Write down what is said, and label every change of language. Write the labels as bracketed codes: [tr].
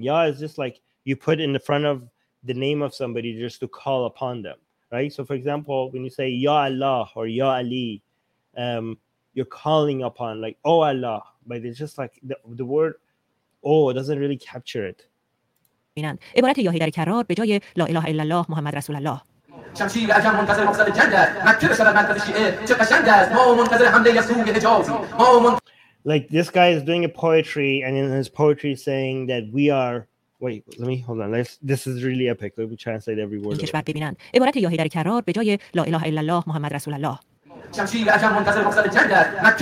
[en] Ya is just like you put in the front of the name of somebody just to call upon them, right? So for example, when you say Ya Allah or Ya Ali, you're calling upon, like, oh Allah, but it's just like the word oh doesn't really capture it. [fa] عبارت یا هیدر کرار به جای لا اله الا الله محمد رسول الله. شمشیر عجم منتظر مقصد جنگ است مکه شده مرکز شیعه چه قشنگ است ما منتظر حمله یسوع حجازی ما منتظر [en] Like, this guy is doing a poetry, and in his poetry saying that we are... Wait, let me... Hold on. This is really epic. Let me translate every word. [fa] کشور ببینند. عبارت یا هیدر کرار به جای لا اله الا الله محمد رسول الله. شمشیر عجم منتظر مقصد جنگ است.